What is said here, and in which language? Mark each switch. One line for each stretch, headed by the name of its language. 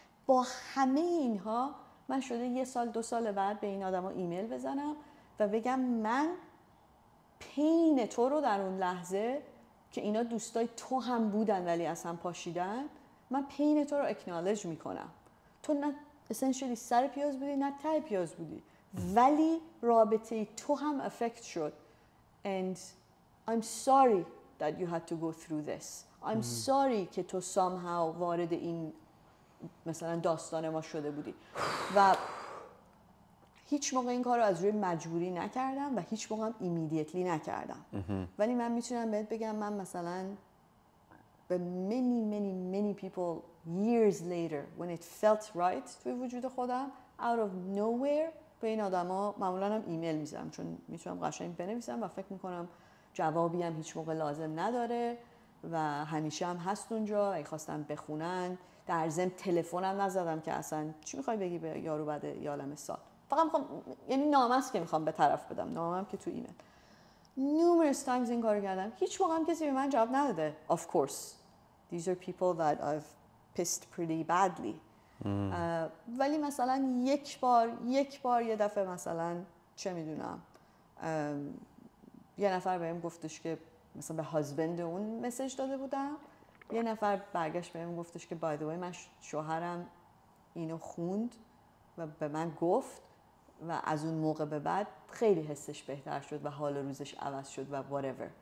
Persian: با همه اینها من شده یه سال دو سال بعد به این آدم ها ایمیل بزنم و بگم من پین تو رو در اون لحظه که اینا دوستای تو هم بودن ولی اصلا پاشیدن، من پین تو رو اکنالج میکنم. تو نه اسنشلی سر پیاز بودی نه تای پیاز بودی، ولی رابطه تو هم افکت شد.
English: And I'm sorry that you had to go through this. I'm sorry
Persian: که تو somehow وارد این مثلا داستان ما شده بودی. و هیچ موقع این کار رو از روی مجبوری نکردم و هیچ موقع هم immediately نکردم. ولی من میتونم بهت بگم من مثلا به
English: many many many people years later when it felt right
Persian: توی وجود خودم
English: out of nowhere
Persian: به این آدم ها معمولاً هم ایمیل میزنم، چون میتونم قشنگ بنویسم و فکر میکنم جوابی هم هیچ موقع لازم نداره و همیشه هم هست اونجا اگه خواستم بخونن. در ضمن تلفن هم نزدم که اصلا چی میخوای بگی به یارو بعد یالم سال، فقط میخوام یعنی نامه است که میخوام به طرف بدم، نامه هم که تو ایمیل.
English: numerous times
Persian: این کارو کردم، هیچ موقع هم کسی به من جواب نداده.
English: of course these are people that I've pissed pretty badly.
Persian: ولی مثلا یک بار یه دفعه مثلا چه میدونم یه نفر بهم گفتش که مثلا به هازبند اون مسیج داده بودم، یه نفر برگشت بهم گفتش که
English: by the way
Persian: من شوهرم اینو خوند و به من گفت و از اون موقع به بعد خیلی حسش بهتر شد و حال روزش عوض شد و whatever.